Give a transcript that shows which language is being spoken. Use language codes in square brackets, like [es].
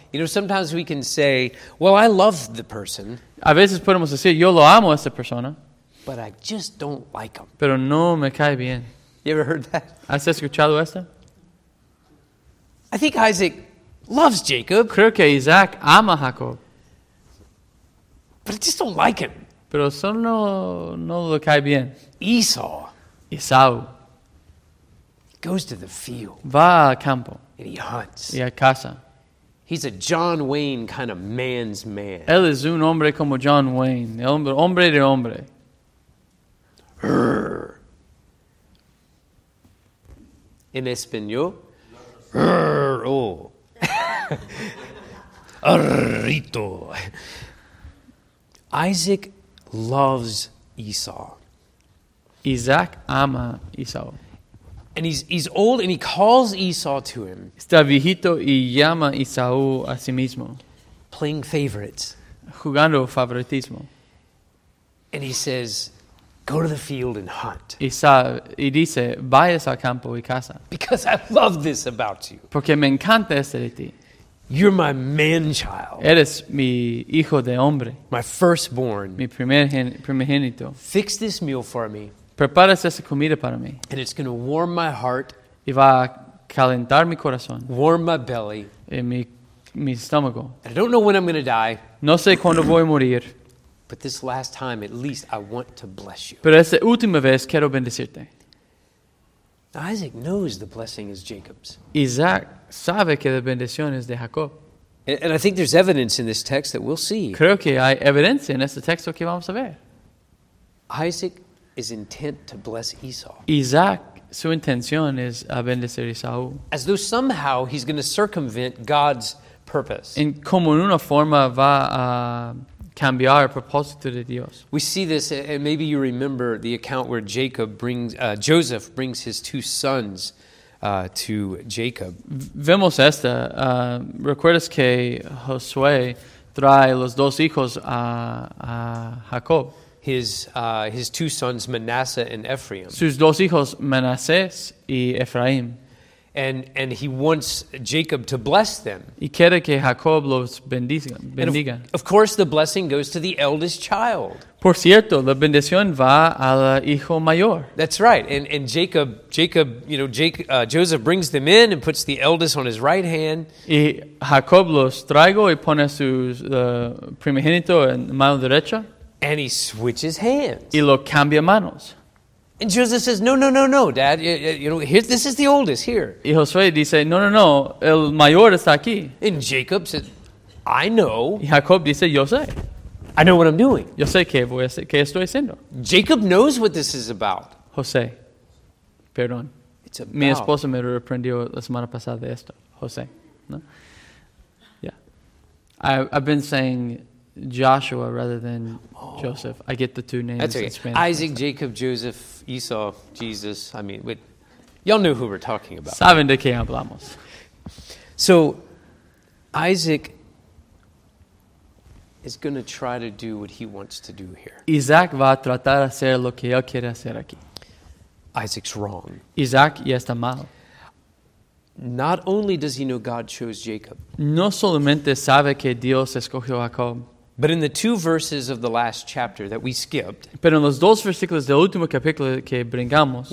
[en] You know, sometimes we can say, well, I love the person. [es] A veces podemos decir, yo lo amo a esa persona. [en] But I just don't like him. [es] Pero no me cae bien. [en] You ever heard that? [es] ¿Has escuchado esto? [en] I think Isaac loves Jacob. [es] Creo que Isaac ama a Jacob. [en] But I just don't like him. [es] Pero solo no lo cae bien. [en] Esau. [es] Esau. [en] Goes to the field. [es] Va al campo. [en] And he hunts. [es] Y a casa. [en] He's a John Wayne kind of man's man. [es] Él es un hombre como John Wayne. El hombre de hombre. En español. Oh. [en] Arrito. Isaac loves Esau. [es] Isaac ama Esau. [en] And he's old and he calls Esau to him. [es] Está viejito y llama Esau a sí mismo. [en] Playing favorites. [es] Jugando favoritismo. [en] And he says, go to the field and hunt. [es] Y dice, vayas al campo y caza. [en] Because I love this about you. [es] Porque me encanta esto de ti. [en] You're my man child. [es] Eres mi hijo de hombre. [en] My firstborn. [es] Mi primogénito. [en] Fix this meal for me. [es] Preparas esa comida para mí. [en] And it's going to warm my heart. [es] Y va a calentar mi corazón. [en] Warm my belly. [es] Y mi estómago. [en] And I don't know when I'm going to die. [es] No sé cuándo voy a morir. [en] But this last time, at least, I want to bless you. [es] Pero esta última vez quiero bendecirte. [en] Now, Isaac knows the blessing is Jacob's. [es] Isaac sabe que la bendición es de Jacob. [en] And I think there's evidence in this text that we'll see. [es] Creo que hay evidencia en este texto que vamos a ver. [en] Isaac is intent to bless Esau. [es] Isaac, su intención es a bendecir a Esau. [en] As though somehow he's going to circumvent God's purpose. [es] En como en una forma va a cambiar el propósito de Dios. [en] We see this, and maybe you remember the account where Joseph brings his two sons to Jacob. [es] Vemos esta. Recuerdas que Josué trae los dos hijos a Jacob. [en] His two sons, Manasseh and Ephraim. [es] Sus dos hijos, Manasés y Ephraim. [en] And he wants Jacob to bless them. [es] Y quiere que Jacob los bendiga. [en] Of course, the blessing goes to the eldest child. [es] Por cierto, la bendición va al hijo mayor. [en] That's right. And Joseph brings them in and puts the eldest on his right hand. [es] Y Jacob los traigo y pone su primogénito en mano derecha. [en] And he switches hands. [es] Y lo cambia manos. [en] And Joseph says, no, Dad. This is the oldest here. [es] Y Josué dice, no, el mayor está aquí. [en] And Jacob says, I know. [es] Y Jacob dice, yo sé. [en] I know what I'm doing. [es] Yo sé qué estoy haciendo. [en] Jacob knows what this is about. [es] José, perdón. [en] It's about. [es] Mi esposa me reprendió la semana pasada de esto. [en] José, ¿no? Yeah. I've been saying Joshua rather than Joseph. I get the two names. That's okay. In Spanish. Isaac, Jacob, Joseph, Esau, Jesus. I mean, wait. Y'all knew who we're talking about. [es] Saben de qué hablamos. [en] So, Isaac is going to try to do what he wants to do here. [es] Isaac va a tratar de hacer lo que él quiere hacer aquí. [en] Isaac's wrong. [es] Isaac ya está mal. [en] Not only does he know God chose Jacob. [es] No solamente sabe que Dios escogió a Jacob. [en] But in the two verses of the last chapter that we skipped, [es] pero en los dos versículos del último capítulo que brincamos,